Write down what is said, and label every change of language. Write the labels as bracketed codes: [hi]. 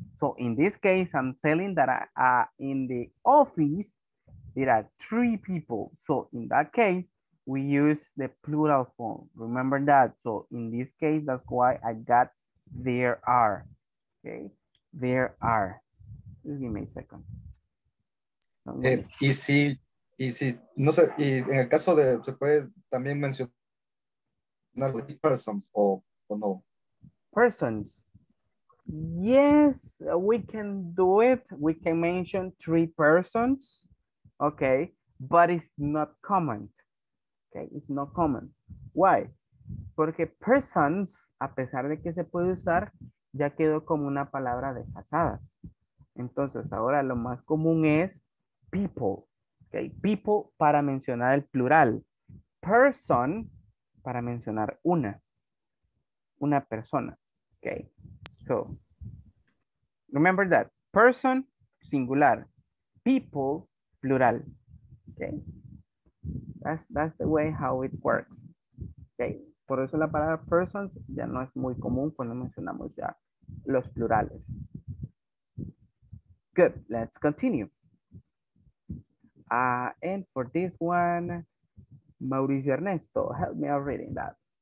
[en] So in this case, I'm telling that in the office, there are three people. So in that case, we use the plural form. Remember that. So in this case, that's why I got there are. Okay. There are. give me a second. [es] Y si, no sé, y en el caso de, se puede también mencionar persons o no. [en] Persons. Yes, we can do it. We can mention three persons. Okay, but it's not common. Okay, it's not common. Why? [es] Porque persons, a pesar de que se puede usar, ya quedó como una palabra desfasada. Entonces, ahora lo más común es people. Okay, people para mencionar el plural. Person para mencionar una persona. [en] Okay, so remember that. Person, singular. People, plural. Okay. That's the way how it works. Okay. [es] Por eso la palabra person ya no es muy común cuando mencionamos ya los plurales. [en] Good. Let's continue. And for this one, Mauricio Ernesto, help me out reading that.